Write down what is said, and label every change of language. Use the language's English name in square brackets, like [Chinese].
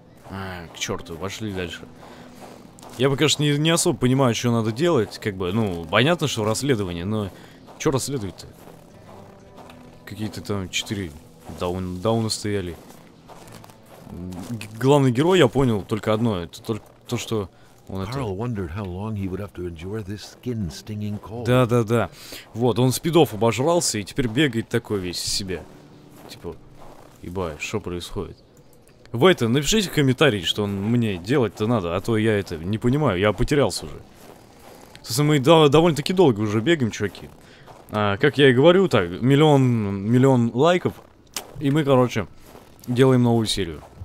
[Russian] А, к черту, пошли дальше. Я пока что не особо понимаю, что надо делать. Как бы, ну, понятно, что расследование, но... Че расследовать-то? Какие-то там четыре дауна стояли. Главный герой, я понял, только одно. Это только то, что... [English] Карл wondered how long he would have to endure this skin stinging cold. [Russian] Да. Вот, он спидов обожрался и теперь бегает такой весь из себя. Типа, ебать, что происходит? Вайта, напишите в комментарии, что мне делать-то надо, а то я это не понимаю, я потерялся уже. Мы довольно-таки долго уже бегаем, чуваки. А, как я и говорю, так, миллион лайков, и мы, короче, делаем новую серию.